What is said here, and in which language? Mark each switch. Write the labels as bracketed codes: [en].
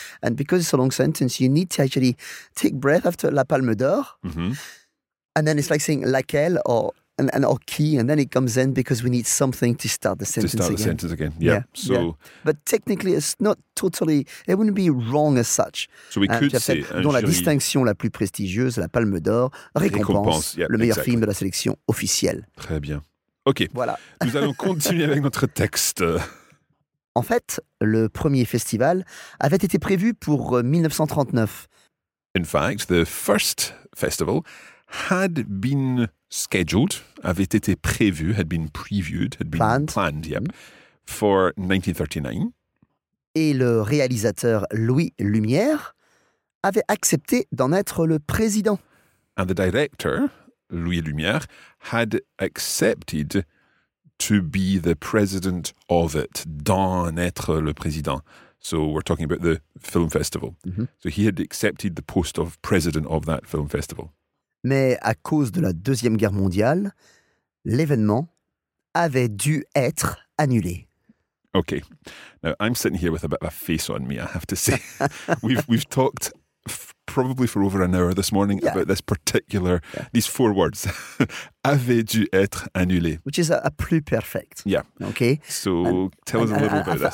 [en] And because it's a long sentence, you need to actually take breath after La Palme d'Or. Mm-hmm. And then it's like saying laquelle or key. And then it comes in because we need something to start the sentence again. To start the sentence again, yeah. So, yeah. But technically, it's not totally, it wouldn't be wrong as such. So we could say, [fr] dont la distinction la plus prestigieuse, la Palme d'Or, récompense le meilleur film de la sélection officielle. Très bien. OK. Voilà. Nous allons continuer avec notre texte. En fait, le premier festival avait été prévu pour 1939. [en] In fact, the first festival had been scheduled, [fr] avait été prévu, [en] had been previewed, had been planned, yep, for 1939. [fr] Et le réalisateur Louis Lumière avait accepté d'en être le président. [en] And the director, Louis Lumière, had accepted to be the president of it, [fr] d'en être le président. [en] So we're talking about the film festival. Mm-hmm. So he had accepted the post of president of that film festival. [fr] Mais à cause de la Deuxième Guerre mondiale, l'événement avait dû être annulé. [en] Okay. Now, I'm sitting here with a bit of a face on me, I have to say. we've talked probably for over an hour this morning about this particular, these four words. [fr] Avait dû être annulé. [en] Which is a plus perfect. Yeah. Okay. So tell us a little about this.